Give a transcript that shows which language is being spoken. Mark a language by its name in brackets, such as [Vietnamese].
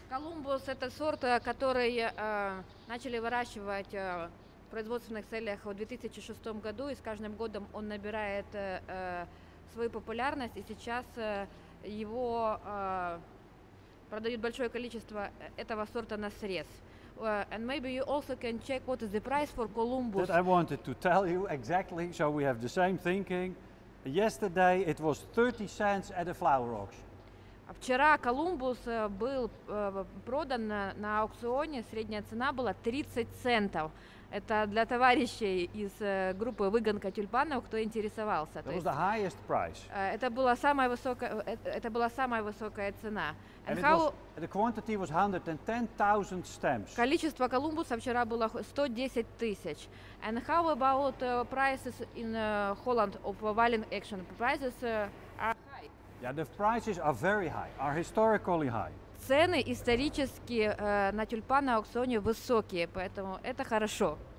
[Russian] Columbus – это сорт, который начали выращивать в производственных целях в 2006 году. И с каждым годом он набирает свою популярность. И сейчас его продают большое количество этого сорта на срез. [English] And maybe you also can check what is the price for Columbus. That I wanted to tell you exactly, so we have the same thinking. Yesterday it was 30 cents at a flower auction. [Russian] Вчера Columbus был продан на аукционе, средняя цена была 30 центов. Это для товарищей из группы Выгонка тюльпанов, кто интересовался. [English] That was the highest price. [Russian] Это была самая высокая цена. [English] The quantity was 110,000 stems. [Russian] Количество колумбуса вчера было 110 тысяч. [English] And how about prices in Holland of violin action? Prices are Yeah, the prices are very high, are historically high. [Russian] Цены исторически на тюльпан на аукционе высокие, поэтому это хорошо.